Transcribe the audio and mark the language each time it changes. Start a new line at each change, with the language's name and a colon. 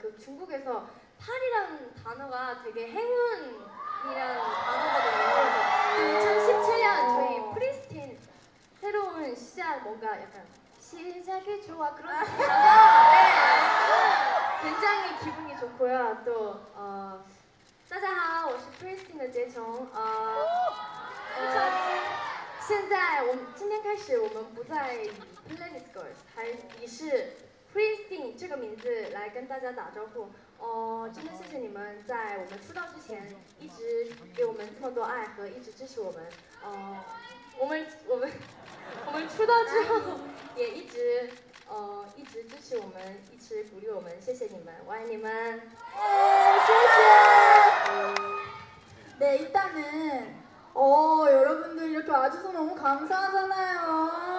Korean: 그 중국에서 8이라는 단어가 되게 행운이라는 단어거든요. 2017년 저희 프리스틴 새로운 시작 뭔가 약간 시작이 좋아 그런 네. 굉장히 기분이 좋고요. 또
Chinese: 大家好，我是Pristine的杰琼。现在我们今天开始，我们不在Planet Girls，还以是Pristine这个名字来跟大家打招呼。真的谢谢你们在我们出道之前一直给我们这么多爱和一直支持我们。我们出道之后也一直支持我们，一直鼓励我们，谢谢你们，我爱你们。谢谢。
Korean: 네, 일단은 여러분들 이렇게 와주셔서 너무 감사하잖아요.